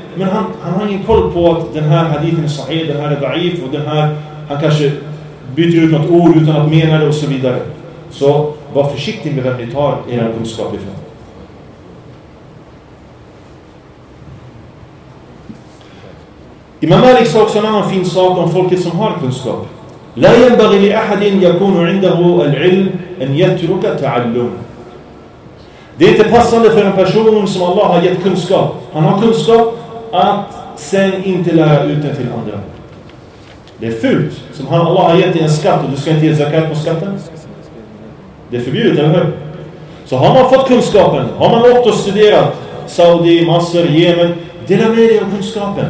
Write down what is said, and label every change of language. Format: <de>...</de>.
<sv>Men han har ingen koll på att den här hadithen är sahih, den här är da'if, och den här, han kanske byter ut något ord utan att mena det och så vidare. Så var försiktig med vem ni tar era kunskap ifrån. Imam Malik sa också en annan fin sak om folket som har kunskap.</sv> <ar>لا ينبغي لأحد يكون عنده العلم أن يترك تعلم.</ar> <sv>Det är inte passande för en person som Allah har gett kunskap. Han har kunskap att sen inte lära ut den till andra. Det är fult. Som han, Allah har gett dig en skatt och du ska inte ge zakat på skatten. Det är förbjudet, eller hur? Så har man fått kunskapen, har man åkt och studerat Saudi, Masr, Yemen, dela med dig av kunskapen.</sv>